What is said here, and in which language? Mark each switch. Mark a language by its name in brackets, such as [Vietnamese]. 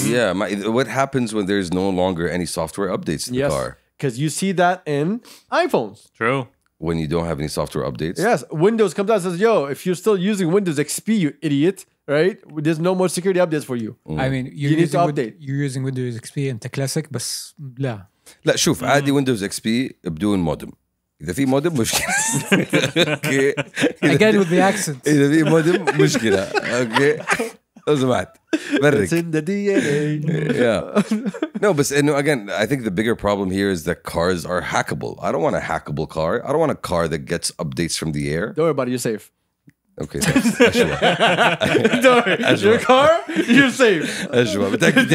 [English] Yeah, what happens when there's no longer any software updates in the car? Because you see that in iPhones. True. When you don't have any software updates. Yes. Windows comes out and says, yo, if you're still using Windows XP, you idiot, right? There's no more security updates for you. Mm. I mean, you need to update. You're using Windows XP and the classic, but blah. [Arabic] لا شوف عادي ويندوز اكس بي بدون مودم اذا في مودم مشكله [English] okay again with the accent [Arabic] اذا في مودم مشكله اوكي اسمعت برك [English] it's in the DNA yeah no [Arabic] بس انه [English] again I think the bigger problem here is that cars are hackable. I don't want a hackable car. I don't want a car that gets updates from the air. Don't worry about it, you're safe. Okay, that's don't worry. Ashwa. Your car, you're safe. Ashwa, but that could be